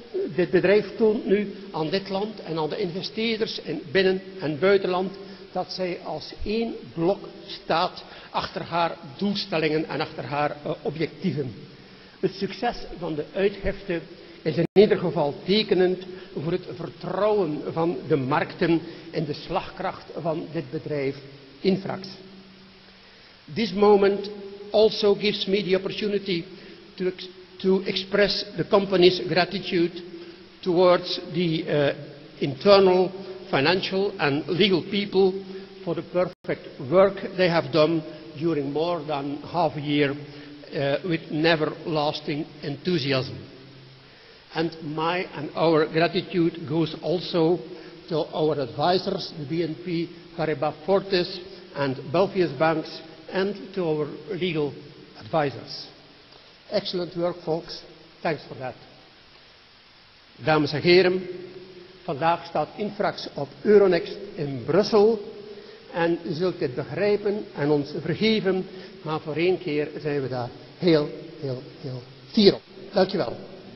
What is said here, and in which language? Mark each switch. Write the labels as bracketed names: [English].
[Dutch] Dit bedrijf toont nu aan dit land en aan de investeerders in binnen- en buitenland dat zij als één blok staat achter haar doelstellingen en achter haar objectieven. Het succes van de uitgifte is in ieder geval tekenend voor het vertrouwen van de markten in de slagkracht van dit bedrijf Infrax. [English] This moment also gives me the opportunity to express the company's gratitude towards the internal, financial and legal people for the perfect work they have done during more than half a year with never lasting enthusiasm. And my and our gratitude goes also to our advisors, the BNP Paribas Fortis and Belfius Banks, and to our legal advisors. Excellent work, folks. Thanks for that. [Dutch] Dames en heren, vandaag staat Infrax op Euronext in Brussel. En u zult dit begrijpen en ons vergeven, maar voor één keer zijn we daar heel, heel, heel fier op. Dankjewel.